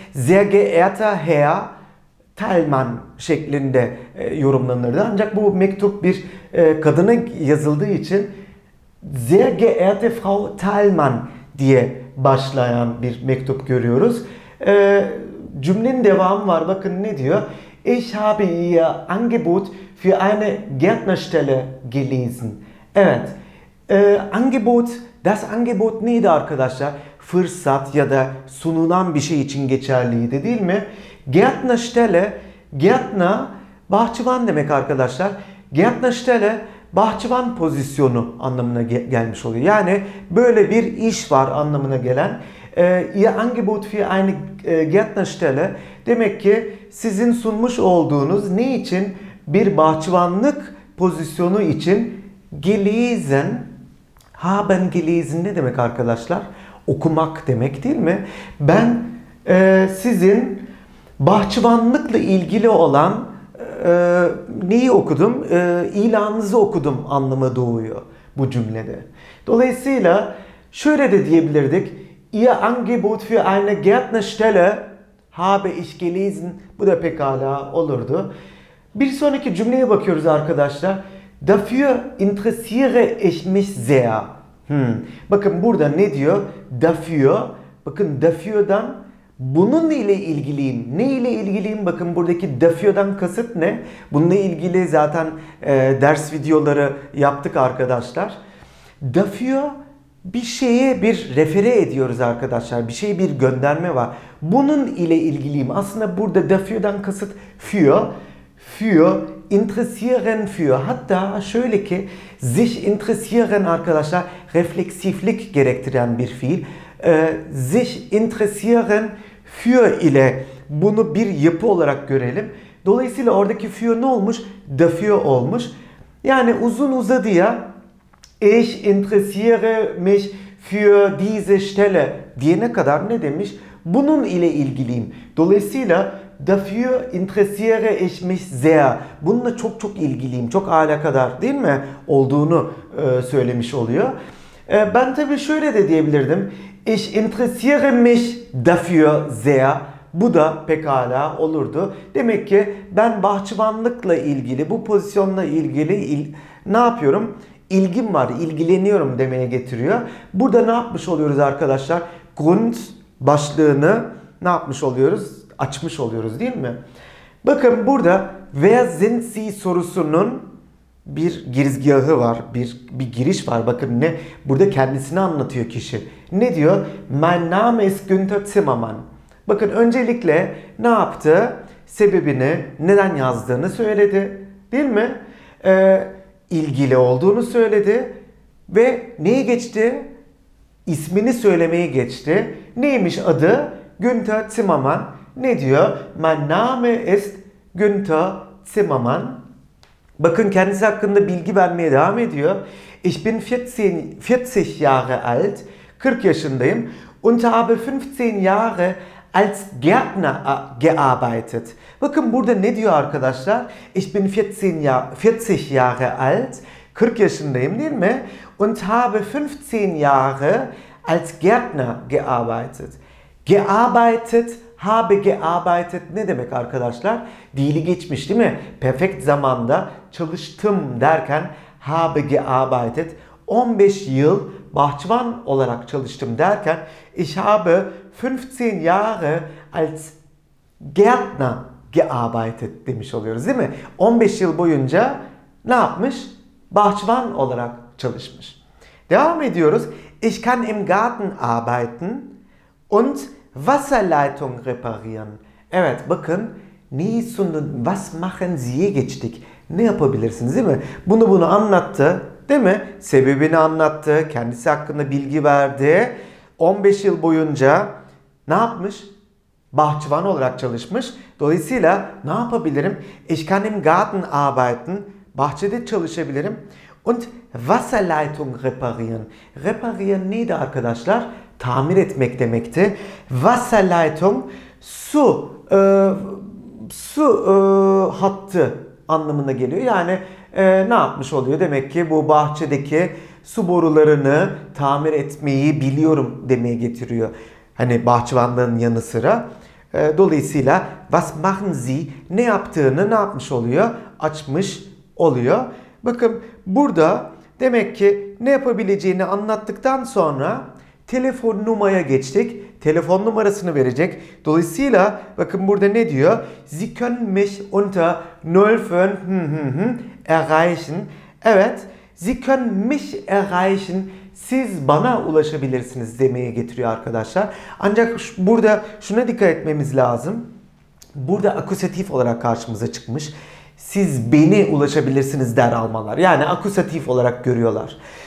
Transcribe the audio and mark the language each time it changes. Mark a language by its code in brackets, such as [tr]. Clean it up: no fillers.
[de] Sehr geehrte Herr Thalmann [tr] şeklinde yorumlanırdı. Ancak bu mektup bir kadına yazıldığı için [de] sehr geehrte Frau Thalmann [tr] diye başlayan bir mektup görüyoruz. Cümlenin devamı var. Bakın ne diyor? [de] Ich habe ihr Angebot für eine Gärtnerstelle gelesen. [tr] Evet. Angebot, das Angebot neydi arkadaşlar? Fırsat ya da sunulan bir şey için geçerliydi, değil mi? Gärtnerstelle, Gärtner bahçıvan demek arkadaşlar. Gärtnerstelle bahçıvan pozisyonu anlamına gelmiş oluyor. Yani böyle bir iş var anlamına gelen. [de] Ihr Angebot für eine Gärtnerstelle [tr] demek ki sizin sunmuş olduğunuz ne için? Bir bahçıvanlık pozisyonu için gelesen, haben gelesen ne demek arkadaşlar? Okumak demek, değil mi? Ben sizin bahçıvanlıkla ilgili olan neyi okudum? İlanınızı okudum anlamı doğuyor bu cümlede. Dolayısıyla şöyle de diyebilirdik. [de] Ihr Angebot für eine Gärtnerstelle habe ich gelesen. [tr] Bu da pekala olurdu. Bir sonraki cümleye bakıyoruz arkadaşlar. [de] Dafür interessiere ich mich sehr. [tr] Bakın burada ne diyor? Dafür. Bakın dafür'dan bunun ile ilgiliyim. Ne ile ilgiliyim? Bakın buradaki dafür'dan kasıt ne? Bununla ilgili zaten ders videoları yaptık arkadaşlar. Dafür bir şeye bir refere ediyoruz arkadaşlar. Bir şeye bir gönderme var. Bunun ile ilgiliyim. Aslında burada dafür'dan kasıt für. Für, interessieren für, hatta şöyle ki sich interessieren arkadaşlar refleksiflik gerektiren bir fiil. Sich interessieren für ile bunu bir yapı olarak görelim. Dolayısıyla oradaki für ne olmuş? Dafür olmuş. Yani uzun uzadıya [de] ich interessiere mich für diese Stelle [tr] diyene kadar ne demiş? Bunun ile ilgiliyim. Dolayısıyla [de] dafür interessiere ich mich sehr. [tr] Bununla çok çok ilgiliyim. Çok alakadar, değil mi? Olduğunu söylemiş oluyor. Ben tabii şöyle de diyebilirdim. [de] Ich interessiere mich dafür sehr. [tr] Bu da pekala olurdu. Demek ki ben bahçıvanlıkla ilgili, bu pozisyonla ilgili ne yapıyorum? İlgim var, ilgileniyorum demeye getiriyor. Burada ne yapmış oluyoruz arkadaşlar? Grund başlığını ne yapmış oluyoruz? Açmış oluyoruz değil mi? Bakın burada Wer sind Sie sorusunun bir girizgahı var, bir giriş var. Bakın ne burada kendisini anlatıyor kişi. Ne diyor? [de] Mein Name ist Günther Zimmermann. [tr] Bakın öncelikle ne yaptı? Sebebini, neden yazdığını söyledi. Değil mi? İlgili olduğunu söyledi. Ve neyi geçti? İsmini söylemeye geçti. Neymiş adı? Günther Zimmermann. Ne diyor? [de] Mein Name ist Günther Zimmermann. [tr] Bakın kendisi hakkında bilgi vermeye devam ediyor. [de] Ich bin 40 Jahre alt. [tr] 40 yaşındayım. [de] Und habe 15 Jahre als Gärtner gearbeitet. [tr] Bakın burada ne diyor arkadaşlar? [de] Ich bin 40 Jahre alt. [tr] 40 yaşındayım değil mi? [de] Und habe 15 Jahre als Gärtner gearbeitet. [tr] Gearbeitet, habe gearbeitet ne demek arkadaşlar? Dili geçmiş değil mi? Perfekt zamanda çalıştım derken habe gearbeitet. 15 yıl bahçıvan olarak çalıştım derken [de] ich habe 15 Jahre als Gärtner gearbeitet [tr] demiş oluyoruz değil mi? 15 yıl boyunca ne yapmış? Bahçıvan olarak çalışmış. Devam ediyoruz. [de] Ich kann im Garten arbeiten und Wasserleitung reparieren. [tr] Evet bakın neyi sundun? Was machen Sie'ye geçtik. Ne yapabilirsiniz değil mi? Bunu anlattı. Değil mi? Sebebini anlattı. Kendisi hakkında bilgi verdi. 15 yıl boyunca ne yapmış? Bahçıvan olarak çalışmış. Dolayısıyla ne yapabilirim? [de] Ich kann im Garten arbeiten. [tr] Bahçede çalışabilirim. [de] Und Wasserleitung reparieren. [tr] Reparieren neydi arkadaşlar? Tamir etmek demekti. Wasserleitung su hattı anlamına geliyor. Yani ne yapmış oluyor? Demek ki bu bahçedeki su borularını tamir etmeyi biliyorum demeye getiriyor. Hani bahçıvanlığın yanı sıra. Dolayısıyla was machen Sie? Ne yaptığını ne yapmış oluyor? Açmış oluyor. Bakın burada demek ki ne yapabileceğini anlattıktan sonra telefon numaraya geçtik. Telefon numarasını verecek. Dolayısıyla bakın burada ne diyor? [de] Sie können mich unter 05 erreichen. [tr] Evet. [de] Sie können mich erreichen. [tr] Siz bana ulaşabilirsiniz demeye getiriyor arkadaşlar. Ancak burada şuna dikkat etmemiz lazım. Burada akusatif olarak karşımıza çıkmış. Siz beni ulaşabilirsiniz der Almanlar. Yani akusatif olarak görüyorlar.